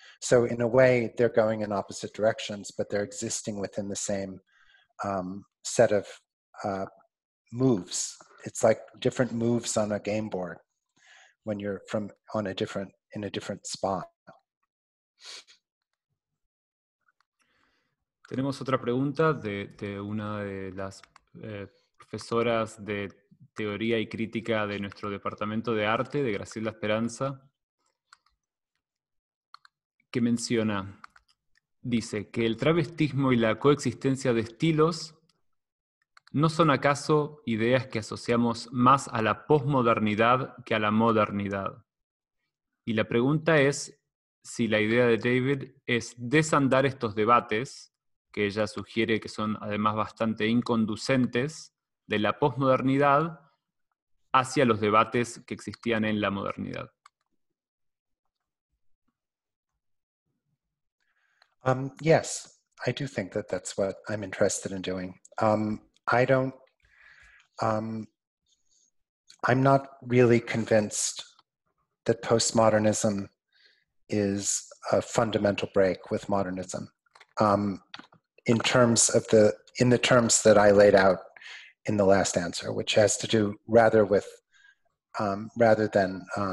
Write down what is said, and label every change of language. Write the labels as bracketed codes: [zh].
[en] So in a way, they're going in opposite directions, but they're existing within the same set of moves. It's like different moves on a game board when you're in a different spot. [es] Tenemos otra pregunta de una de las profesoras de teoría y crítica de nuestro departamento de arte, de Graciela Esperanza, que menciona, dice que el travestismo y la coexistencia de estilos ¿no son acaso ideas que asociamos más a la posmodernidad que a la modernidad? Y la pregunta es si la idea de David es desandar estos debates, que ella sugiere que son además bastante inconducentes, de la posmodernidad hacia los debates que existían en la modernidad. [en] Yes, I do think that that's what I'm interested in doing. I'm not really convinced that postmodernism is a fundamental break with modernism in the terms that I laid out in the last answer, which has to do rather with rather than